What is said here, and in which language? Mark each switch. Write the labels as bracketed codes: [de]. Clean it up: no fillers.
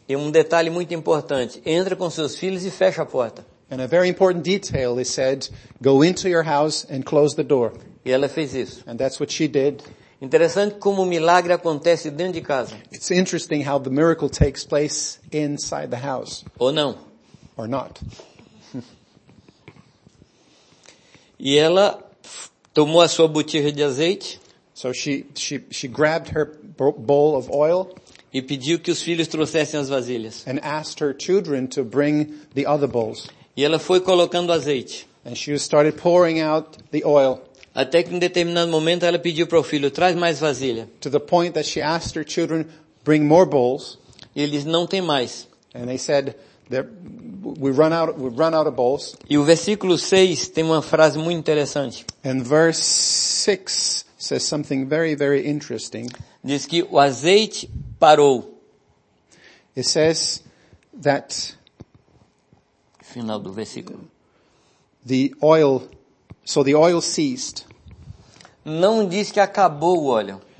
[pt] E um detalhe muito importante: entra com seus filhos e fecha a porta. [en] And a very important detail, he said, go into your house and close the door. [pt] E ela fez isso. [en] And that's what she did. [pt] Interessante como o milagre acontece dentro de casa. [en] It's interesting how the miracle takes place inside the house. [pt] Ou não. [en] Or not. [pt] E ela tomou a sua botija de azeite. [en] So she grabbed her bowl of oil. [pt] E pediu que os filhos trouxessem as vasilhas. [en] And asked her children to bring the other bowls. [pt] E ela foi colocando azeite. [en] And she started pouring out the oil. [pt] Até que em determinado momento ela pediu para o filho, traz mais vasilha. [en] To the point that she asked her children, bring more bowls. [pt] E eles não têm mais. [en] And they said, we run out of bowls. [pt] E o versículo 6 tem uma frase muito interessante. [en] And verse 6 says something very, very interesting. [pt] Diz que o azeite parou. [en] It says that [pt] final do versículo. [en] The oil, so the oil ceased. [pt] Não diz que acabou o óleo.